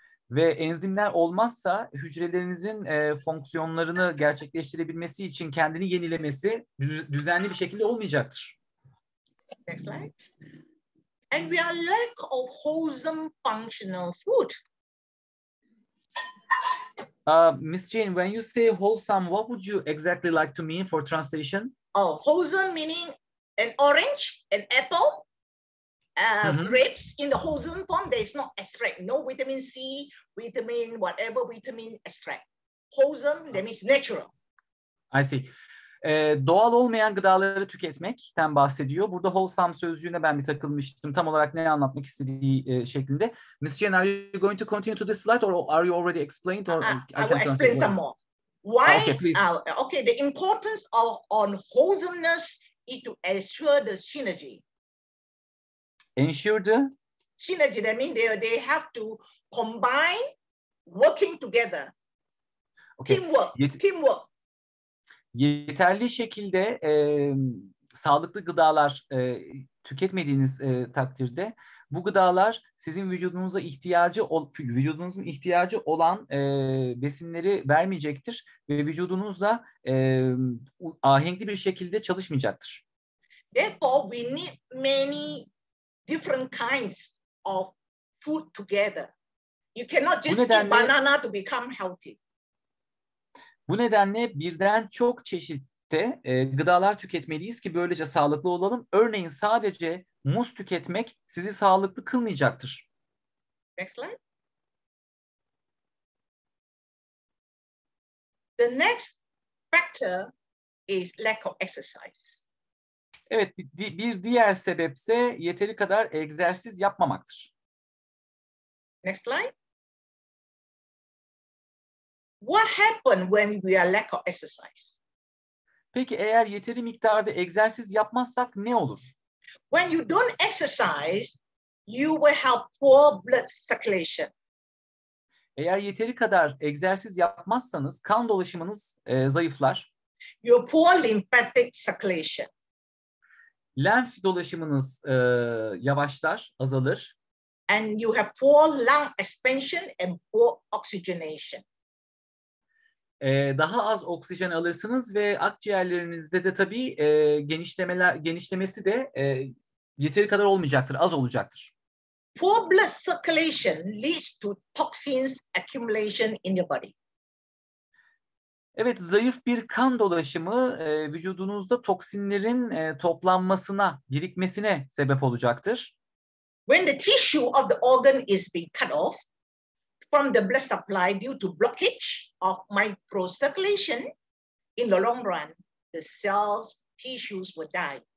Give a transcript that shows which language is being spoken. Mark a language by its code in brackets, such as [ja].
[tr] Ve enzimler olmazsa hücrelerinizin fonksiyonlarını gerçekleştirebilmesi için kendini yenilemesi düzenli bir şekilde olmayacaktır. [en] Next slide. And we are lack of wholesome functional food. Miss Jane, when you say wholesome, what would you exactly like to mean for translation? Oh, wholesome meaning an orange, an apple, grapes in the wholesome form. There is no extract, no vitamin C, vitamin whatever vitamin extract. Wholesome, that means natural. I see. [tr] Doğal olmayan gıdaları tüketmekten bahsediyor. Burada wholesome sözcüğüne ben bir takılmıştım. Tam olarak ne anlatmak istediği şeklinde. [en] Miss Jane, are you going to continue to this slide or are you already explained? Or I will explain some more. Why? Okay, the importance of on wholesomeness is to ensure the synergy. Ensure the? Synergy, that means they have to combine working together. Okay. Teamwork. [tr] Yeterli şekilde sağlıklı gıdalar tüketmediğiniz takdirde bu gıdalar sizin vücudunuzun ihtiyacı olan besinleri vermeyecektir ve vücudunuzla ahenkli bir şekilde çalışmayacaktır. [en] Therefore we need many different kinds of food together. You cannot just eat banana to become healthy. [tr] Bu nedenle birden çok çeşitte gıdalar tüketmeliyiz ki böylece sağlıklı olalım. Örneğin sadece muz tüketmek sizi sağlıklı kılmayacaktır. [en] Next slide. The next factor is lack of exercise. [tr] Evet, bir diğer sebep ise yeteri kadar egzersiz yapmamaktır. [en] Next slide. What happens when we are lack of exercise? [tr] Peki eğer yeteri miktarda egzersiz yapmazsak ne olur? [en] When you don't exercise, you will have poor blood circulation. [tr] Eğer yeteri kadar egzersiz yapmazsanız kan dolaşımınız zayıflar. [en] Your poor lymphatic circulation. [tr] Lenf dolaşımınız yavaşlar, azalır. [en] And you have poor lung expansion and poor oxygenation. [tr] Daha az oksijen alırsınız ve akciğerlerinizde de tabii genişlemesi de yeteri kadar olmayacaktır, az olacaktır. [en] Poor blood circulation leads to toxins accumulation in your body. [tr] Evet, zayıf bir kan dolaşımı vücudunuzda toksinlerin toplanmasına, birikmesine sebep olacaktır. [en] When the tissue of the organ is being cut off from the blood supply due to blockage of microcirculation, in the long run, the cells, tissues will die.